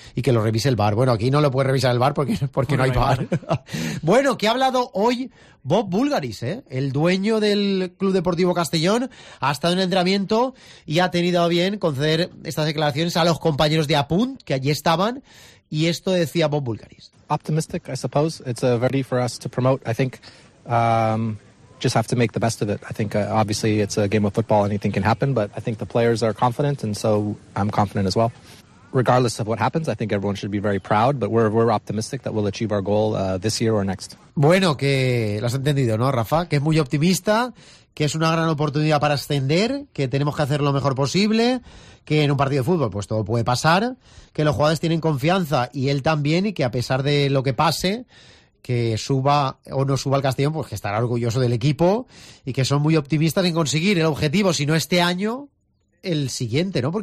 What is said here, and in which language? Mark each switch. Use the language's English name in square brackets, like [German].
[Spanish] Y que lo revise el VAR. Bueno, aquí no lo puede revisar el VAR porque no hay VAR. Bueno, que ha hablado hoy Bob Bulgaris, el dueño del Club Deportivo Castellón, ha estado en el entrenamiento y ha tenido bien conceder estas declaraciones a los compañeros de Apunt, que allí estaban, y esto decía Bob Bulgaris. [English] Optimistic, I suppose. It's a very for us to promote. I think just have to make the best of it. I think obviously it's a game of football, anything can happen, but I think the players are confident and so I'm confident as well. Regardless of what happens, I think everyone should be very proud, but we're optimistic that we'll achieve our goal this year or next. [Spanish] Bueno, que lo has entendido, ¿no, Rafa? Que es muy optimista, que es una gran oportunidad para ascender, que tenemos que hacer lo mejor posible, que en un partido de fútbol pues todo puede pasar, que los jugadores tienen confianza y él también, y que a pesar de lo que pase, que suba o no suba al Castellón, pues que estará orgulloso del equipo y que son muy optimistas en conseguir el objetivo, si no este año, el siguiente, ¿no?